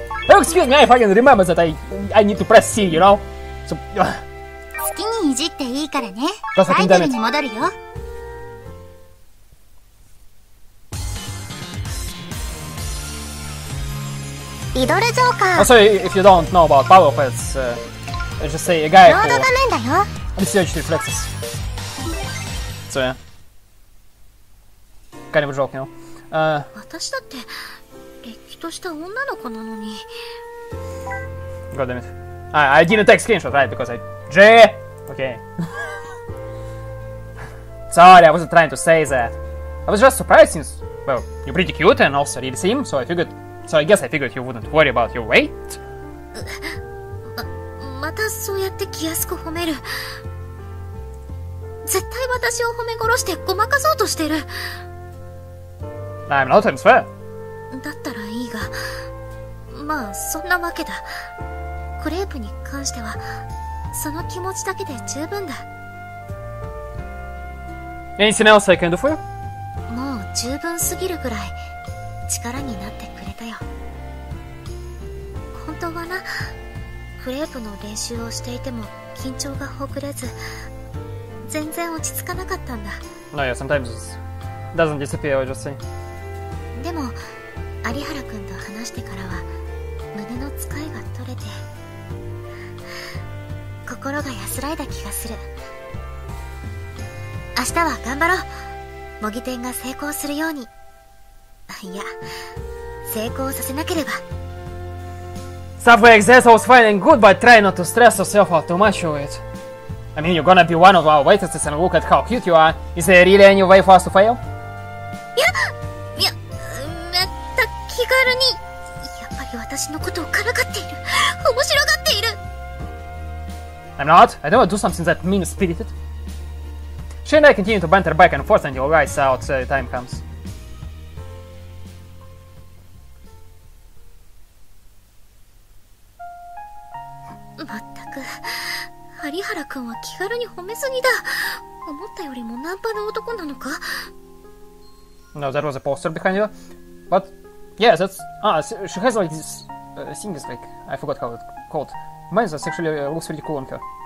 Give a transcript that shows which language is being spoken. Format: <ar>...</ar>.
<en>Oh, excuse me, I fucking remember that I need to press C, you know? So,</en> <ja>好きにいじっていいからね。アイドルに戻るよ。リドルジョーカー。</ja> <en>Oh, sorry, if you don't know about Pablo, it's, let's just say a guy</en> <ja>ロード画面だよ。</ja> <en>This is your reflexes. So, yeah. Kind of joke, you know?</en> <ja>私だって、れっきとした女の子なのに。</ja> <en>God damn it. I didn't take screenshot, right? Because I... J! Okay. Sorry, I wasn't trying to say that. I was just surprised since, well, you're pretty cute and also really slim, so I figured... So I guess I figured you wouldn't worry about your weight.</en> <ja>またそうやって気安く褒める。絶対私を褒め殺してごまかそうとしてる。</ja> <en>I'm not, I'm fair.</en> <ja>だったらいいが。まあ、そんなわけだ。クレープに関しては、その気持ちだけで十分だ。</ja> <en>Anything else I can do for you?</en> <ja>もう十分すぎるぐらい、力になってくれたよ。本当はな、クレープの練習をしていても緊張がほぐれず、全然落ち着かなかったんだ。</ja> <en>No, yeah, sometimes it doesn't disappear, I just say.</en> <ja>でも、有原くんと話してからは、胸の使いが取れて、心が安らいだ気がする。明日は頑張ろう。模擬店が成功するように。いや、成功させなければ。</ja> <en>Subway Express was fine and good, but try not to stress yourself out too much of it. I mean, you're gonna be one of our waitresses and look at how cute you are. Is there really any way for us to fail?</en> <ja>いや、めった気軽に。やっぱり私のことをからかっている。面白がっている。</ja> <en>I'm not. I don't do something that mean-spirited. She and I continue to banter back and forth until lights out time comes.</en> <ja>まったく、有原くんは気軽に褒めすぎだ。思ったよりもナンパの男なのか。</ja> <en>No, that was a poster behind you. But, yeah, that's... Ah, she has like this thing, is like... I forgot how it's called. Mine that actually looks really cool on her.</en>